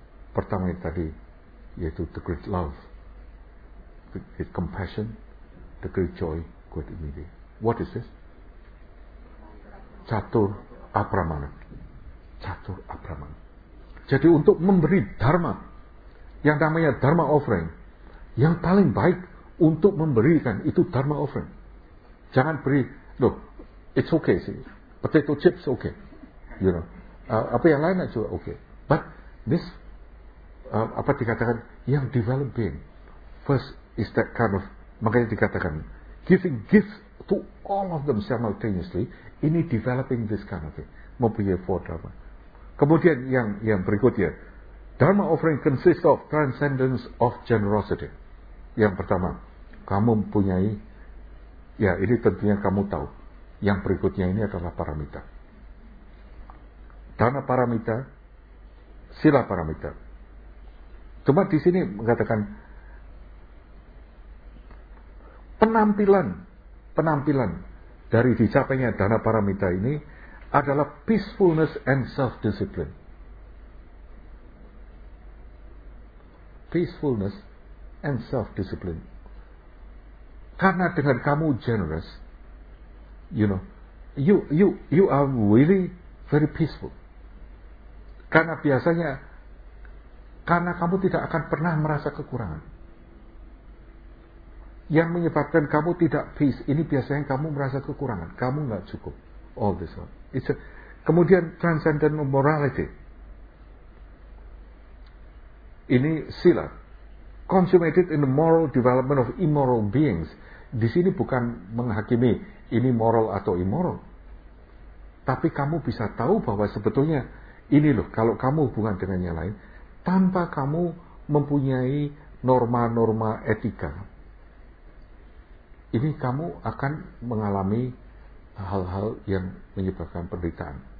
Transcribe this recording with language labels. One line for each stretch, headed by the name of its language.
Indonesian: Pertama tadi, yaitu
English: the great love, the great compassion, the great joy, great immediate. What is this?
Indonesian: Catur Apramana. Catur Apramana. Jadi untuk memberi Dharma, yang namanya Dharma offering, yang paling baik untuk memberikan itu Dharma offering. Jangan beri, loh,
English: it's okay
Indonesian: sih.
English: Potato chips okay, you know.
Indonesian: Apa yang lain aja
English: okay. But this
Indonesian: apa dikatakan yang
English: developing first is that kind of,
Indonesian: makanya dikatakan
English: giving gifts to all of them simultaneously, ini developing this kind of thing,
Indonesian: mempunyai
English: four dharma.
Indonesian: Kemudian yang berikutnya,
English: dharma offering consists of transcendence of generosity.
Indonesian: Yang pertama, kamu mempunyai, ya ini tentunya kamu tahu, yang berikutnya ini adalah paramita. Dharma paramita, sila paramita. Cuma di sini mengatakan penampilan dari dicapainya dana paramita ini adalah
English: peacefulness and self-discipline. Peacefulness and self-discipline.
Indonesian: Karena dengan kamu
English: generous, you know, you are really very peaceful.
Indonesian: Karena biasanya, karena kamu tidak akan pernah merasa kekurangan. Yang menyebabkan kamu tidak peace, ini biasanya kamu merasa kekurangan. Kamu enggak cukup.
English: All this one. It's a,
Indonesian: kemudian
English: transcendent morality.
Indonesian: Ini sila.
English: Consummated in the moral development of immoral beings.
Indonesian: Di sini bukan menghakimi ini moral atau immoral. Tapi kamu bisa tahu bahwa sebetulnya ini loh, kalau kamu hubungan dengan yang lain, tanpa kamu mempunyai norma-norma etika, ini kamu akan mengalami hal-hal yang menyebabkan penderitaan.